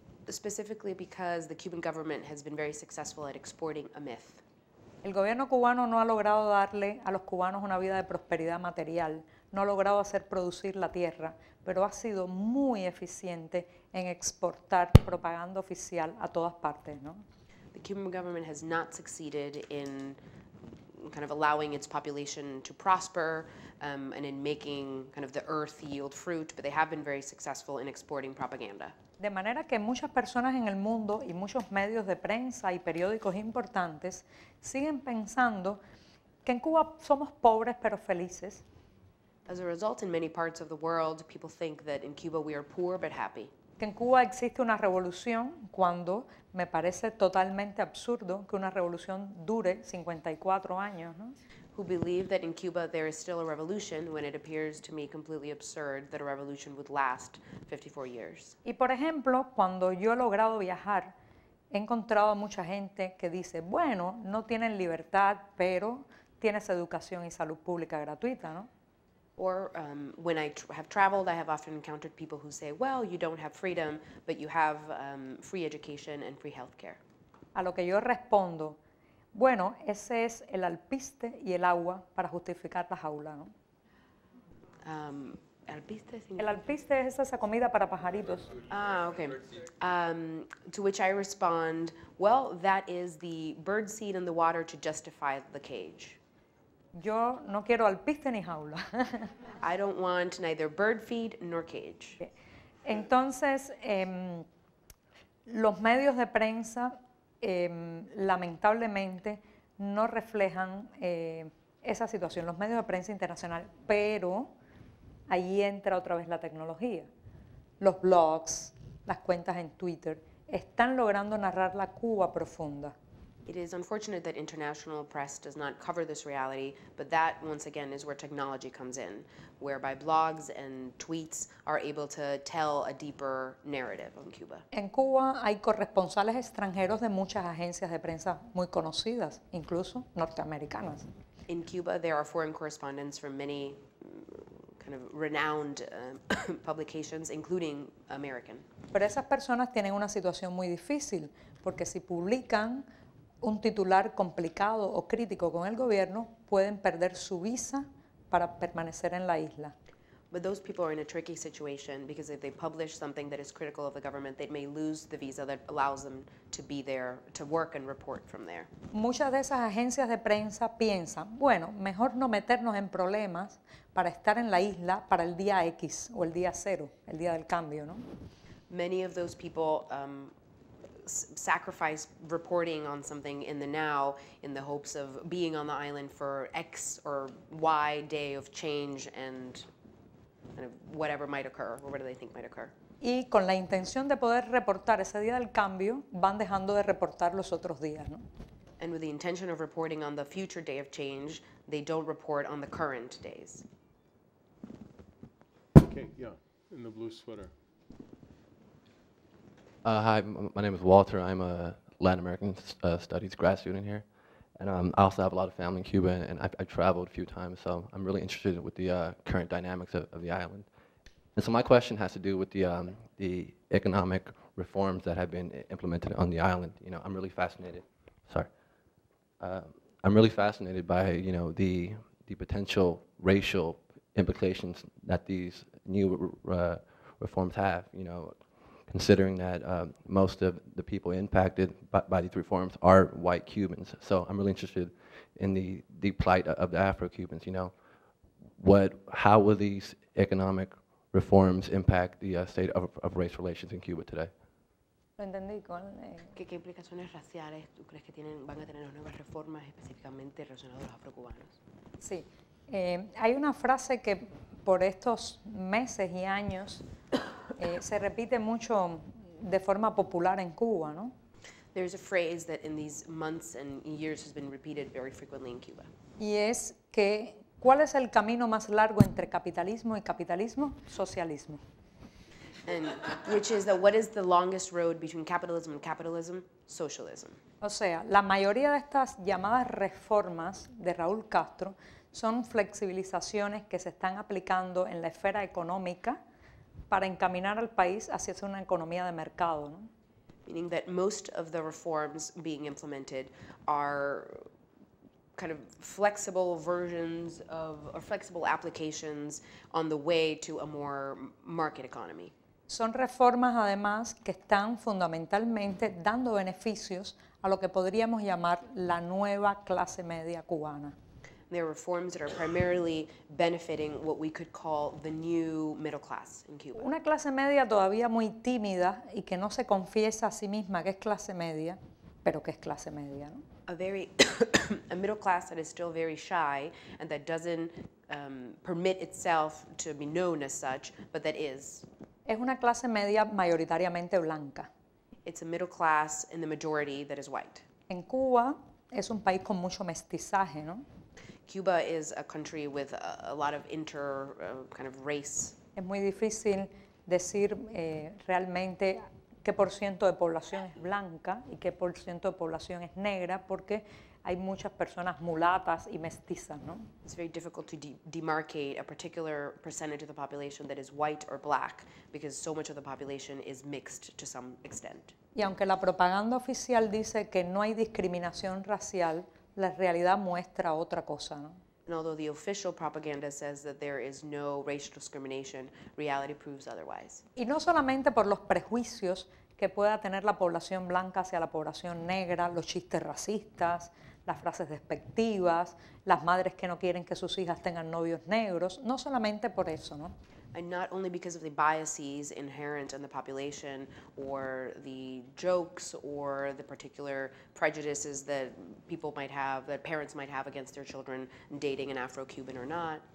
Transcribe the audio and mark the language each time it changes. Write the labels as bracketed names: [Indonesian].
[English] specifically because the Cuban government has been very successful at exporting a myth. [Spanish] El gobierno cubano no ha logrado darle a los cubanos una vida de prosperidad material, no ha logrado hacer producir la tierra, pero ha sido muy eficiente en exportar propaganda oficial a todas partes, ¿no? [English] The Cuban government has not succeeded in kind of allowing its population to prosper and in making kind of the earth yield fruit, but they have been very successful in exporting propaganda. [Spanish] De manera que muchas personas en el mundo y muchos medios de prensa y periódicos importantes siguen pensando que en Cuba somos pobres pero felices. [English] As a result, in many parts of the world, people think that in Cuba we are poor but happy. [Spanish] Que en Cuba existe una revolución cuando me parece totalmente absurdo que una revolución dure 54 años, ¿no? [English] Who believe that in Cuba there is still a revolution when it appears to me completely absurd that a revolution would last 54 years. [Spanish] Y por ejemplo, cuando yo he logrado viajar, he encontrado a mucha gente que dice, bueno, no tienen libertad, pero tienes educación y salud pública gratuita, ¿no? [English] Or when I have traveled, I have often encountered people who say, well, you don't have freedom, but you have free education and free healthcare. [Spanish] A lo que yo respondo, bueno, ese es el alpiste y el agua para justificar la jaula, ¿no? Alpiste significa... El alpiste es esa comida para pajaritos. [English] Ah, okay. To which I respond, well, that is the bird seed in the water to justify the cage. [Spanish] Yo no quiero alpiste ni jaula. [English] I don't want neither bird feed nor cage. [Spanish] Entonces, los medios de prensa, lamentablemente, no reflejan esa situación. Los medios de prensa internacional, pero ahí entra otra vez la tecnología. Los blogs, las cuentas en Twitter, están logrando narrar la Cuba profunda. [English] It is unfortunate that international press does not cover this reality, but that, once again, is where technology comes in, whereby blogs and tweets are able to tell a deeper narrative on Cuba. [Spanish] En Cuba hay corresponsales extranjeros de muchas agencias de prensa muy conocidas, incluso norteamericanas. [English] In Cuba, there are foreign correspondents from many kind of renowned publications, including American. [Spanish] Pero esas personas tienen una situación muy difícil, porque si publican un titular complicado o crítico con el gobierno, pueden perder su visa para permanecer en la isla. [English] But those people are in a tricky situation because if they publish something that is critical of the government, they may lose the visa that allows them to be there, to work and report from there. [Spanish] Muchas de esas agencias de prensa piensan, bueno, mejor no meternos en problemas para estar en la isla para el día X o el día cero, el día del cambio, ¿no? [English] Many of those people sacrifice reporting on something in the now in the hopes of being on the island for X or Y day of change and kind of whatever might occur or whatever they think might occur. [Spanish] Y con la intención de poder reportar ese día del cambio, van dejando de reportar los otros días, ¿no? [English] And with the intention of reporting on the future day of change, they don't report on the current days. Okay, yeah, in the blue sweater. Hi, my name is Walter. I'm a Latin American studies grad student here. And I also have a lot of family in Cuba, and I've traveled a few times, so I'm really interested with the current dynamics of the island. And so my question has to do with the economic reforms that have been implemented on the island. You know, I'm really fascinated. Sorry. I'm really fascinated by, you know, the potential racial implications that these new reforms have, you know, considering that most of the people impacted by these reforms are white Cubans. So I'm really interested in the plight of the Afro-Cubans, you know. How will these economic reforms impact the state of race relations in Cuba today? [Spanish] Lo entendí. ¿Qué implicaciones raciales tú crees que van a tener las nuevas reformas específicamente relacionadas a los afro-cubanos? Sí. Hay una frase que por estos meses y años se repite mucho de forma popular en Cuba, ¿no? [English] There's a phrase that in these months and years has been repeated very frequently in Cuba. [Spanish] Y es que, ¿cuál es el camino más largo entre capitalismo y capitalismo? Socialismo. [English] And which is that what is the longest road between capitalism and capitalism? Socialism. [Spanish] O sea, la mayoría de estas llamadas reformas de Raúl Castro son flexibilizaciones que se están aplicando en la esfera económica para encaminar al país hacia una economía de mercado, ¿no? [English] meaning that most of the reforms being implemented are kind of flexible versions of, or flexible applications on the way to a more market economy. [Spanish] Son reformas, además, que están fundamentalmente dando beneficios a lo que podríamos llamar la nueva clase media cubana. [English] There are reforms that are primarily benefiting what we could call the new middle class in Cuba. [Spanish] Una clase media todavía muy tímida y que no se confiesa a sí misma que es clase media, pero que es clase media, ¿no? [English] A middle class that is still very shy and that doesn't permit itself to be known as such, but that is. [Spanish] Es una clase media mayoritariamente blanca. [English] It's a middle class in the majority that is white. [Spanish] En Cuba es un país con mucho mestizaje, ¿no? [English] Cuba is a country with a lot of inter kind of race. [Spanish] Es muy difícil decir realmente qué por ciento de población es blanca y qué por ciento de población es negra, porque hay muchas personas mulatas y mestizas, ¿no? [English] It's very difficult to demarcate a particular percentage of the population that is white or black, because so much of the population is mixed to some extent. [Spanish] Y aunque la propaganda oficial dice que no hay discriminación racial, la realidad muestra otra cosa, ¿no? [English] And although the official propaganda says that there is no racial discrimination, reality proves otherwise. [Spanish] Y no solamente por los prejuicios que pueda tener la población blanca hacia la población negra, los chistes racistas, las frases despectivas, las madres que no quieren que sus hijas tengan novios negros, no solamente por eso, ¿no? [English] And not only because of the biases inherent in the population, or the jokes, or the particular prejudices that people might have, that parents might have against their children dating an Afro-Cuban or not.